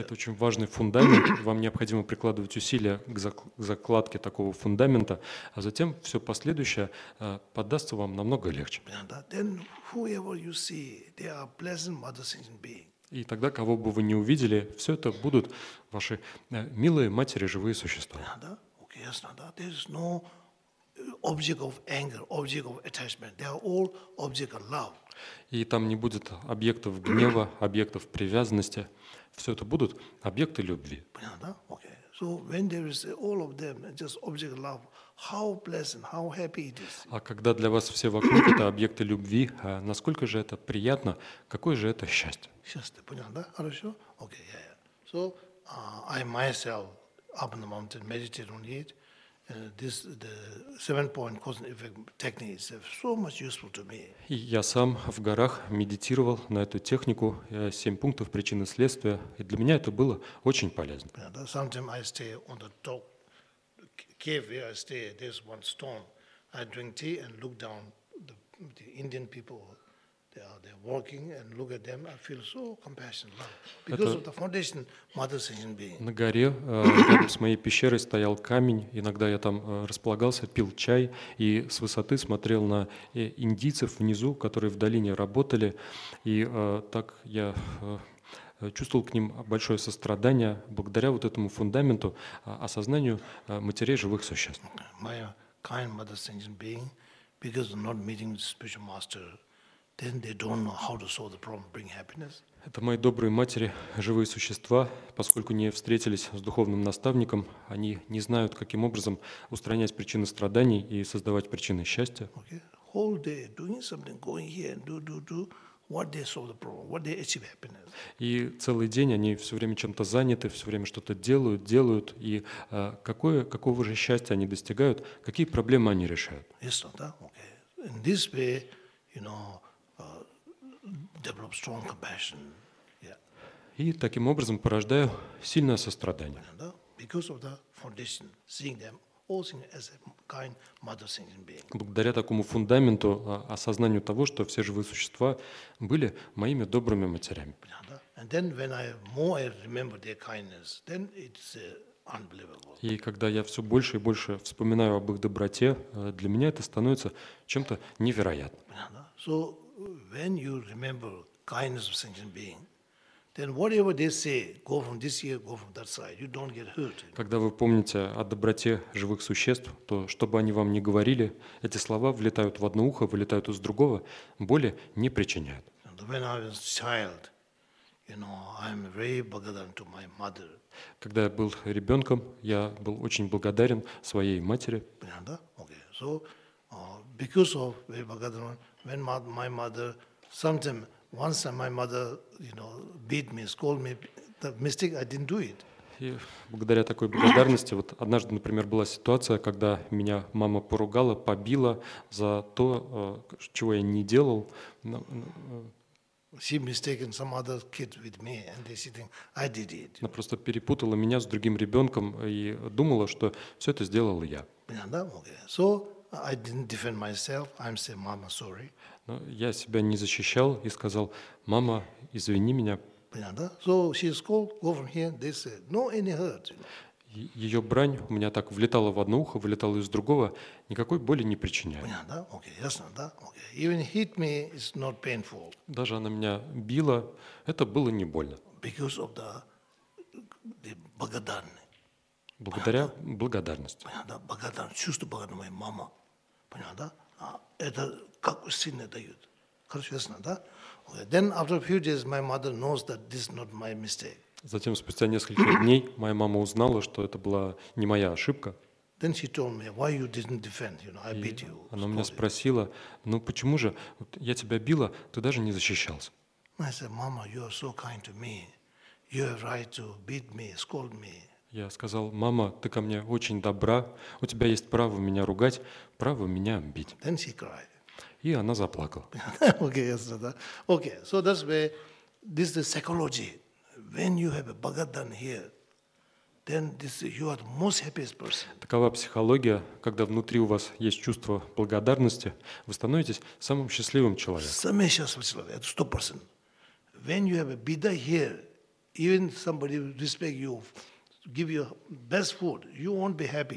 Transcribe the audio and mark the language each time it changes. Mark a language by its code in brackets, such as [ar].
[ru] Это очень важный фундамент. Вам необходимо прикладывать усилия к закладке такого фундамента, а затем все последующее поддастся вам намного легче. [en] Then whoever you see, they are pleasant mother sentient being. [ru] И тогда, кого бы вы ни увидели, все это будут ваши милые матери живые существа. [en] Okay, yes, there is no object of anger, object of attachment. They are all object of love. [ru] И там не будет объектов гнева, объектов привязанности. Все это будут объекты любви. Понятно, да? Okay. [en] So when there is all of them just object love, how pleasant, how happy it is. [ru] А когда для вас все вокруг это объекты любви, насколько же это приятно, какое же это счастье? Счастье, понятно, да? Хорошо? Okay, yeah, yeah. [en] So I myself up in the mountain meditate on it. This the seven-point cause and effect technique is so much useful to me. [ru] Я сам в горах медитировал на эту технику 7 пунктов причины следствия, и для меня это было очень полезно. [en] Sometimes I stay on the top cave where I stay. There's one stone. I drink tea and look down the Indian people. They're walking and look at them. I feel so compassionate because of the foundation, mother sentient being. [ru] На горе с моей пещерой стоял камень. Иногда я там располагался, пил чай и с высоты смотрел на индийцев внизу, которые в долине работали, и так я чувствовал к ним большое сострадание благодаря вот этому фундаменту, осознанию матерей живых существ. [en] My kind mother sentient being, because of not meeting the spiritual master. Then they don't know how to solve the problem, bring happiness. [ru] Это мои добрые матери, живые существа, поскольку не встретились с духовным наставником, они не знают, каким образом устранять причины страданий и создавать причины счастья. [en] Okay. Whole day doing something, going here and do. What they solve the problem? What they achieve happiness? [ru] И целый день они все время чем-то заняты, все время что-то делают. И какого же счастья они достигают? Какие проблемы они решают? [en] Yes, no, that, okay. In this way, you know. Develop strong compassion. Yeah. [ru] И таким образом порождаю сильное сострадание. [en] Because of the foundation, seeing them all seeing as a kind mother sentient being. [ru] Благодаря такому фундаменту, осознанию того, что все живые существа были моими добрыми матерями. [en] And then when I remember their kindness, then it's unbelievable. [ru] И когда я все больше и больше вспоминаю об их доброте, для меня это становится чем-то невероятным. [en] So when you remember kindness of sentient being, then whatever they say, go from this ear, go from that side. You don't get hurt. [ru] Когда вы помните о доброте живых существ, то что бы они вам ни говорили, эти слова влетают в одно ухо, вылетают из другого, боли не причиняют. [en] And when I was a child, you know, I'm very благодарен to my mother. [ru] Когда я был ребенком, я был очень благодарен своей матери. [en] Да? Okay. So because of very благодарен. When my mother, sometimes once my mother, you know, beat me, scold me, the mistake I didn't do it. [ru] И благодаря такой благодарности, вот однажды, например, была ситуация, когда меня мама поругала, побила за то, чего я не делал. [en] She mistaken some other kid with me, and they sitting. I did it. [ru] Она просто перепутала меня с другим ребенком и думала, что все это сделал я. [en] Да, okay. So I didn't defend myself. I'm saying, "Mama, sorry." [ru] Но я себя не защищал и сказал: "Мама, извини меня." Понятно? Да? [en] So she scold, go from here. They said, "No any hurt." [ru] Ее брань у меня так влетала в одно ухо, влетала из другого, никакой боли не причиняет. Понятно? Да? [en] Okay, [ru] ясно, да? [en] Okay. Even hit me is not painful. [ru] Даже она меня била, это было не больно. [en] Because of the благодарность. [ru] Благодаря благодарности. Понятно, да? Благодарность. Чувство благодарности моей мамы. Понятно, да? А это как сильно дают. Хорошо, ясно, да? Okay. [en] Then after a few days, my mother knows that this is not my mistake. [ru] Затем, спустя несколько дней, моя мама узнала, что это была не моя ошибка. [en] Then she told me, why you didn't defend, you know, I beat you. [ru] Она меня спросила, ну почему же, вот я тебя била, ты даже не защищался. [en] I said, Mama, you are so kind to me. You have right to beat me, scold me. [ru] Я сказал: «Мама, ты ко мне очень добра, у тебя есть право меня ругать, право меня бить». [en] Then she cried. [ru] И она заплакала. [en] Okay, yes, sir. Okay, so that's where this is the psychology. When you have a Bhagavatam here, then this you are the most happiest person. [ru] Такова психология, когда внутри у вас есть чувство благодарности, вы становитесь самым счастливым человеком. Самый счастливый человек, это 100%. [en] When you have a Bida here, even somebody respect you, give you best food, you won't be happy.